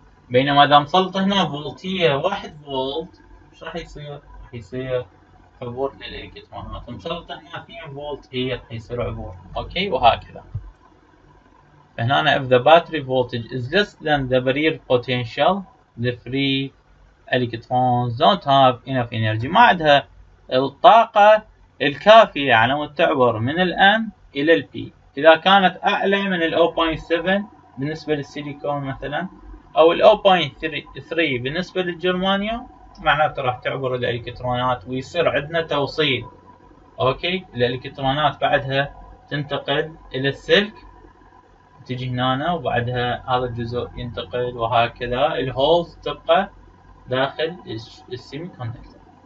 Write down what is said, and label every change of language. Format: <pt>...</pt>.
<ar>بينما اذا مسلط هنا فولتية 1 فولت ايش راح يصير؟ راح يصير عبور للالكترونات. مسلط هنا 2 فولت هي راح يصير عبور اوكي وهكذا. هنا أنا</ar> <en>if the battery voltage is less than the barrier potential the free electrons don't have enough energy</en> <ar>ما عندها الطاقة الكافية على مود تعبر من الآن إلى البي. إذا كانت أعلى من الـ 0.7 بالنسبة للسيليكون مثلا أو الـ 0.3 بالنسبة للجرمانيوم معناته راح تعبر الإلكترونات ويصير عندنا توصيل أوكي. الإلكترونات بعدها تنتقل إلى السلك تجي هنا وبعدها هذا الجزء ينتقل وهكذا الهولز تبقى داخل السيمي كوندكتر.</ar>